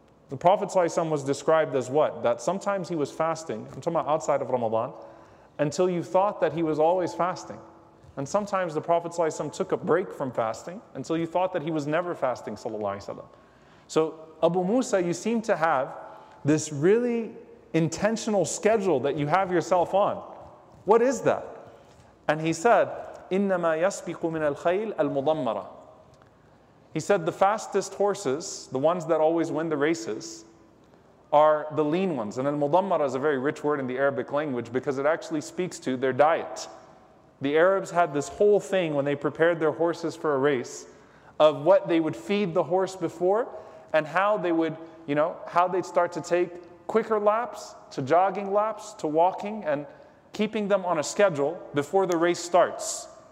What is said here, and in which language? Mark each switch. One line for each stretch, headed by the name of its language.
English: The Prophet ﷺ was described as what? That sometimes he was fasting, I'm talking about outside of Ramadan, until you thought that he was always fasting. And sometimes the Prophet ﷺ took a break from fasting until you thought that he was never fasting, sallallahu alaihi wasallam. So Abu Musa, you seem to have this really intentional schedule that you have yourself on. What is that? And he said,
Arabic: إِنَّمَا يَسْبِقُ مِنَ الْخَيْلِ الْمُضَمَّرَةِ.
English: He said, the fastest horses, the ones that always win the races, are the lean ones. And al-mudammara is a very rich word in the Arabic language because it actually speaks to their diet. The Arabs had this whole thing when they prepared their horses for a race of what they would feed the horse before and how they would, you know, how they'd start to take quicker laps, to jogging laps, to walking, and keeping them on a schedule before the race starts.